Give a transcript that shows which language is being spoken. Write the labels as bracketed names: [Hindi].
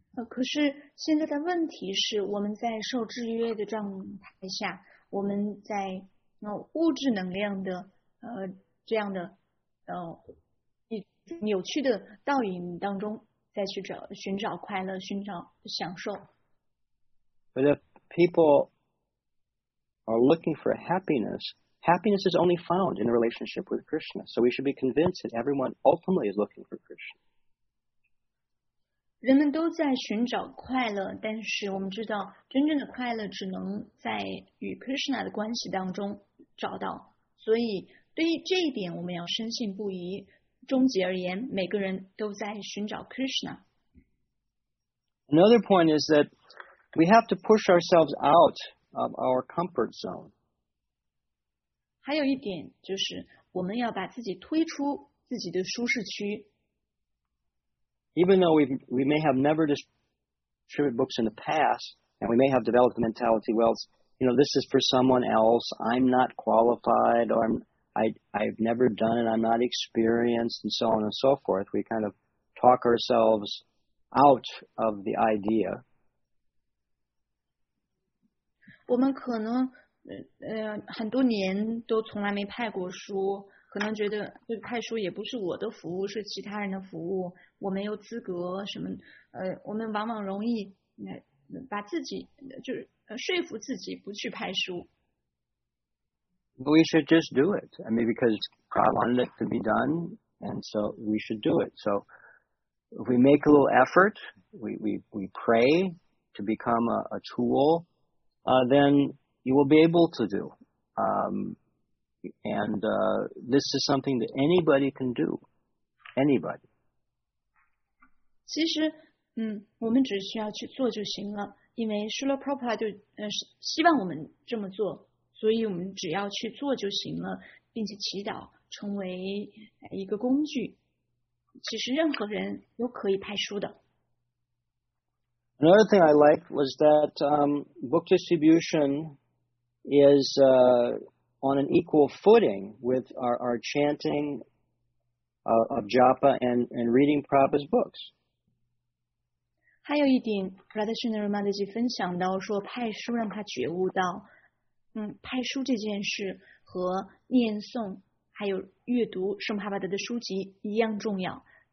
[Chinese] 可是现在的问题是，我们在受制约的状态下，我们在物质能量的这样的一扭曲的倒影当中，再去找寻找快乐，寻找享受。 [English] But if people are looking for happiness, happiness is only found in a relationship with Krishna. So we should be convinced that everyone ultimately is looking for Krishna. [Chinese] 人们都在寻找快乐，但是我们知道，真正的快乐只能在与 Krishna 的关系当中找到。所以对于这一点，我们要深信不疑。终极而言，每个人都在寻找 Krishna。 [English] Another point is that we have to push ourselves out of our comfort zone. [Chinese] 还有一点就是，我们要把自己推出自己的舒适区。 [English] Even though we may have never distributed books in the past, and we may have developed the mentality, well, you know, this is for someone else, I'm not qualified, or I've never done it, I'm not experienced, and so on and so forth, we kind of talk ourselves out of the idea. [Chinese] 我们可能很多年都从来没派过书，可能觉得这个派书也不是我的服务，是其他人的服务，我没有资格什么。我们往往容易把自己就是说服自己不去派书。 [English] We should just do it. I mean, because God wanted it to be done, and so we should do it. So, if we make a little effort, we pray to become a tool, then you will be able to do. This is something that anybody can do. Anybody. [Chinese] 其实，我们只需要去做就行了，因为 Srila Prabhupada 就希望我们这么做，所以我们只要去做就行了，并且祈祷成为一个工具。其实任何人都可以派书的。 [English] Another thing I liked was that book distribution is on an equal footing with our chanting of japa and reading Prabhupada's books. [Chinese] 还有一点 Radhesh Narayanji 分享到说，派书让他觉悟到，派书这件事和念诵还有阅读圣帕巴德的书籍一样重要。